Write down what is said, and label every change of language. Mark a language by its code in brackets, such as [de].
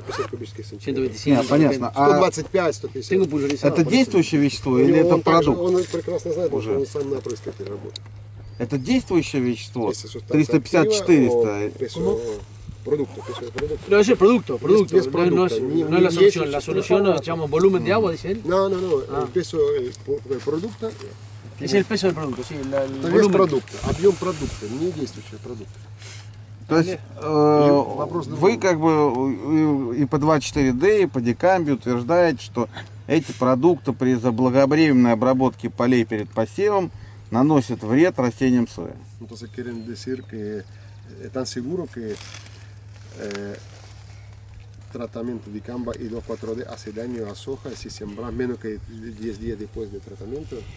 [ru] 150 кубических сантиметров. 125. А, понятно. 125-150. Это действующее вещество или это продукт? Он прекрасно знает, потому что он сам напрочь как работает. Это действующее вещество? 350-400. Продукты. Но это же продукт, продукт. Без продукта. Не это [es] la solución. La solución, digamos, volumen de agua, dice él. No, no, no. El peso del producto. Es el peso del producto, sí, el volumen. [ru] Продукта, объем продукта, не действующий продукт. То есть вы как бы и по 2,4D, и по дикамбе утверждаете, что эти продукты при заблаговременной обработке полей перед посевом наносят вред растениям сои. [es] Entonces quieren decir que están seguros que tratamiento de camba y 2,4-D hace daño a soja si sembras menos que 10 días después del tratamiento?